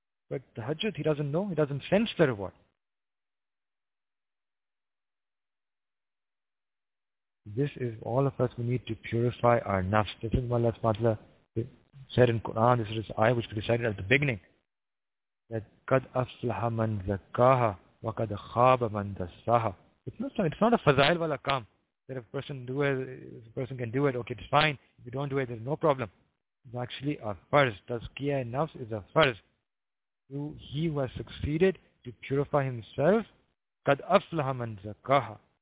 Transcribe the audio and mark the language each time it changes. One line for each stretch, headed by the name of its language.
English: But tahajjud he doesn't know, he doesn't sense the reward. This is all of us, we need to purify our nafs. This is what Allah subhanahu wa ta'ala said in Quran, this is his ayah which we recited at the beginning. That
Arabic: قَدْ أَفْلَحَ مَنْ ذَكَّاهَا وَقَدْ خَابَ مَنْ دَسَّاهَا.
English: It's not a
Urdu: fazail wala kaam,
English: that if a person can do it, okay, it's fine. If you don't do it, there's no problem. It's actually a farz. Tazkiyah nafs is a farz. He who has succeeded to purify himself,
Arabic: kad aflaha man zakaha.